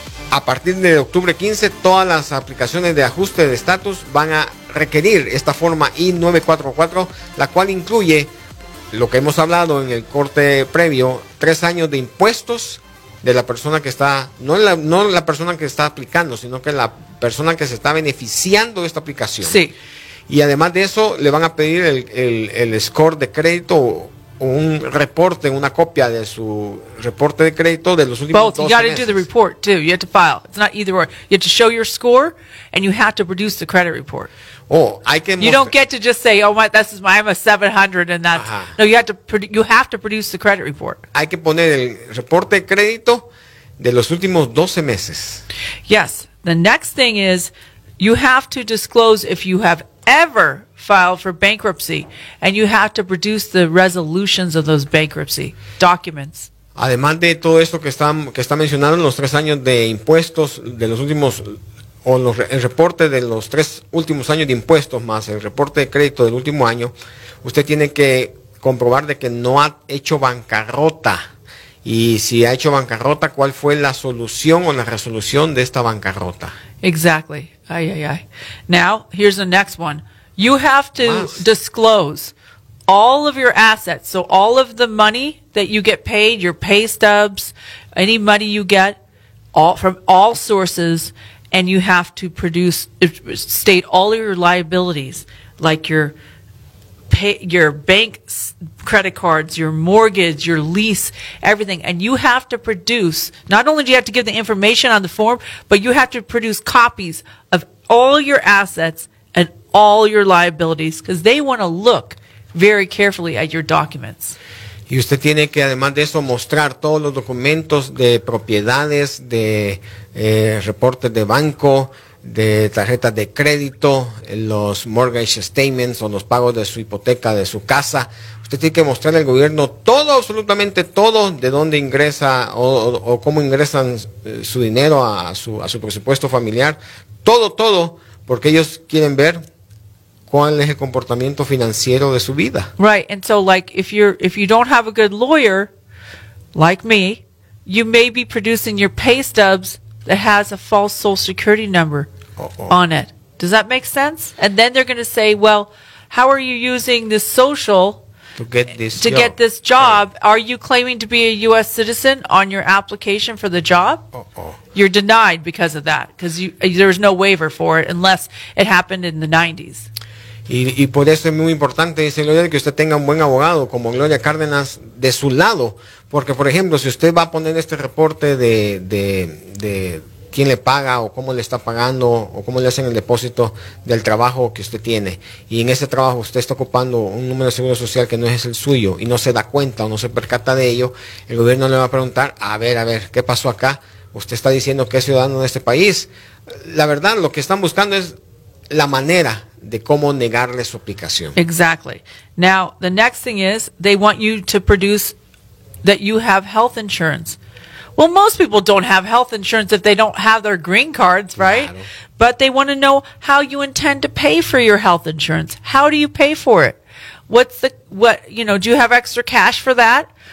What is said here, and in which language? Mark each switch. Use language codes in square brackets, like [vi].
[es] A partir de octubre 15, todas las aplicaciones de ajuste de estatus van a requerir esta forma I-944, la cual incluye lo que hemos hablado en el corte previo, 3 años de impuestos de la persona que está, no la persona que está aplicando, sino que la persona que se está beneficiando de esta aplicación. Sí. Y además de eso, le van a pedir el score de crédito, un reporte, una copia de su reporte de crédito de los últimos 2 meses. [en] You got to do the report too. You have to file. It's not either or. You have to show your score and you have to produce the credit report. Oh, I can. You don't get to just say, I'm a 700 and that's. Ajá. No, you have to produce the credit report. [es] Hay que poner el reporte de crédito de los últimos 12 meses. [en] Yes. The next thing is you have to disclose if you have ever filed for bankruptcy, and you have to produce the resolutions of those bankruptcy documents. [es] Además de todo esto que está mencionando, los 3 años de impuestos de los últimos, o los, el reporte de los 3 últimos años de impuestos más el reporte de crédito del último año, usted tiene que comprobar de que no ha hecho bancarrota. Y si ha hecho bancarrota, ¿cuál fue la solución o la resolución de esta bancarrota? [en] Exactly. Ay, ay, ay. Now, here's the next one. You have to disclose all of your assets. So all of the money that you get paid, your pay stubs, any money you get all, from all sources, and you have to produce, state all of your liabilities, like your pay, your bank credit cards, your mortgage, your lease, everything. And you have to produce, not only do you have to give the information on the form, but you have to produce copies of all your assets and all your liabilities, because they want to look very carefully at your documents. [es] Y usted tiene que, además de eso, mostrar todos los documentos de propiedades, de reportes de banco, de tarjetas de crédito, los mortgage statements o los pagos de su hipoteca, de su casa. Usted tiene que mostrarle al gobierno todo, absolutamente todo, de dónde ingresa o cómo ingresan su dinero a su presupuesto familiar. Todo, todo, porque ellos quieren ver cuál es el comportamiento financiero de su vida. [en] Right, and so like if you don't have a good lawyer, like me, you may be producing your pay stubs that has a false social security number on it. Does that make sense? And then they're going to say, well, how are you using this social to get this job? Right. Are you claiming to be a U.S. citizen on your application for the job? You're denied because of that, because there's no waiver for it unless it happened in the 90s. [es] Y por eso es muy importante, dice Gloria, que usted tenga un buen abogado como Gloria Cárdenas de su lado. Porque, por ejemplo, si usted va a poner este reporte de quién le paga o cómo le está pagando o cómo le hacen el depósito del trabajo que usted tiene, y en ese trabajo usted está ocupando un número de seguro social que no es el suyo y no se da cuenta o no se percata de ello, el gobierno le va a preguntar, a ver, ¿qué pasó acá? Usted está diciendo que es ciudadano de este país. La verdad, lo que están buscando es la manera de cómo negarle su aplicación. [en] Exactly. Now, the next thing is, they want you to produce that you have health insurance. Well, most people don't have health insurance if they don't have their green cards, right? [es] Claro. [en] But they want to know how you intend to pay for your health insurance. How do you pay for it? Do you have extra cash for that?